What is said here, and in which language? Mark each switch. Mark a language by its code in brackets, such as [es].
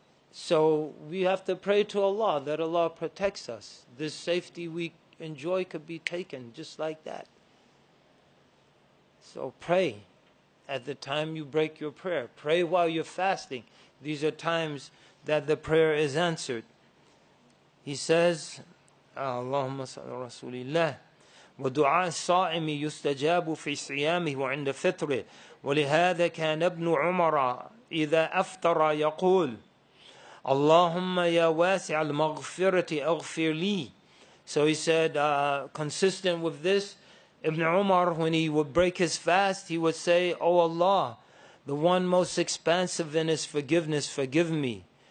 [en] So we have to pray to Allah that Allah protects us. This safety we enjoy could be taken just like that. So pray at the time you break your prayer. Pray while you're fasting. These are times that the prayer is answered. He says, [ar] اللهم صل رسول الله ودعاء الصائم يستجاب في صيامه وعند فطره ولهذا كان ابن عمر إذا أفطر يقول اللهم يا واسع المغفرة اغفر لي. [en] So he said, consistent with this, Ibn Umar, when he would break his fast, he would say, O Allah, the one most expansive in His forgiveness, forgive me.